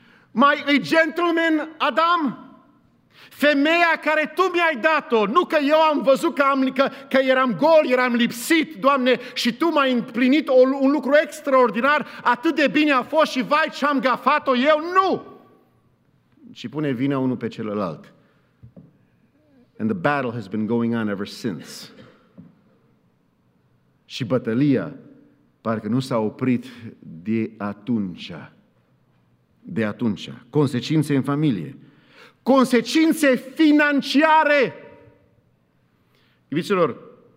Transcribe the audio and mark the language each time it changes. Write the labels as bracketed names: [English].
[Romanian] Mai e gentleman, Adam? Femeia care tu mi-ai dat-o, nu că eu am văzut că eram gol, eram lipsit, Doamne, și tu m-ai împlinit un lucru extraordinar, atât de bine a fost și vai ce-am gafat-o eu, nu! Și pune vina unul pe celălalt. [English] And the battle has been going on ever since. [Romanian] Și bătălia parcă nu s-a oprit de atunci. De atunci. Consecințe în familie. Consecințe financiare. Iubiților,